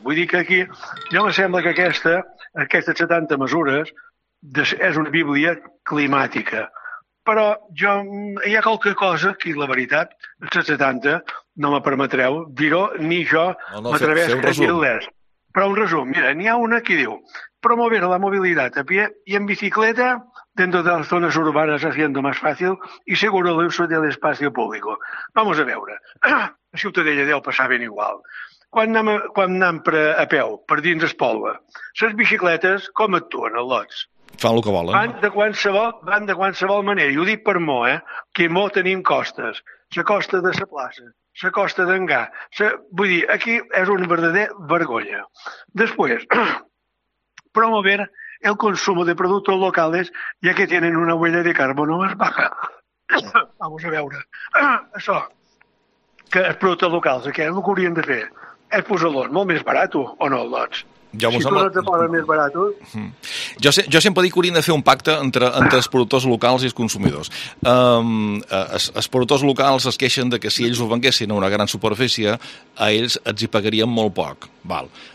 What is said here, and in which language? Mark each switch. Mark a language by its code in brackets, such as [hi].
[ca] Vull dir que aquí, jo em sembla que aquestes 70 mesures és una bíblia climàtica, però jo, hi ha qualque cosa que, la veritat, aquestes 70 no me permetreu dir-ho, ni jo m'atreveixo a dir-les. Però un resum, mira, n'hi ha una que diu [es] promover la mobilitat a pie i en bicicleta dentro de las zonas urbanas haciendo más fácil y seguro el uso del espacio público. [ca] Vamos a veure. La Ciutadella deu passar ben igual. Quan anem a peu, per dins es poble, les bicicletes com actuen, els lots? Fan el que volen. Van de qualsevol manera. I ho dic per mo, que mo tenim costes. La costa de la plaça, la costa d'Engà. Vull dir, aquí és una verdadera vergonya. [es] Després, promover el consumo de productos locales, ya que tienen una huella de carbono más baja. [ca] Vamos a veure. Això, que els productes locals, que el que haurien de fer és posar-los molt més barat, o no, doncs? Jo si sembla... tu no et més barat. Jo sempre dic que haurien de fer un pacte entre els productors locals i els consumidors. Els productors locals es queixen de que si ells ho venguessin a una gran superfície, a ells els hi pagarien molt poc. Val.